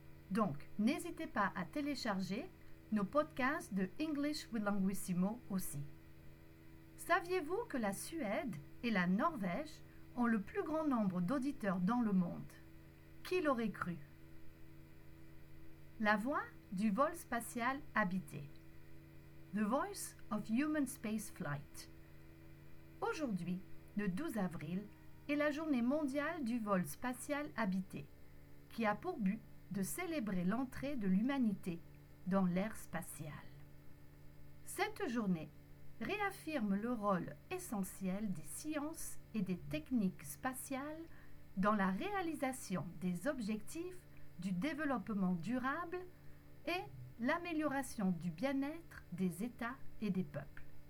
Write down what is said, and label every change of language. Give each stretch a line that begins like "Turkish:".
French: Donc, n'hésitez pas à télécharger nos podcasts de English with Languissimo aussi. Saviez-vous que la Suède et la Norvège ont le plus grand nombre d'auditeurs dans le monde? Qui l'aurait cru? La voix du vol spatial habité.
English: The Voice of Human Space Flight.
French: Aujourd'hui, le 12 avril, est la journée mondiale du vol spatial habité, qui a pour but de célébrer l'entrée de l'humanité dans l'ère spatiale. Cette journée réaffirme le rôle essentiel des sciences et des techniques spatiales dans la réalisation des objectifs du développement durable et l'amélioration du bien-être des États et des peuples.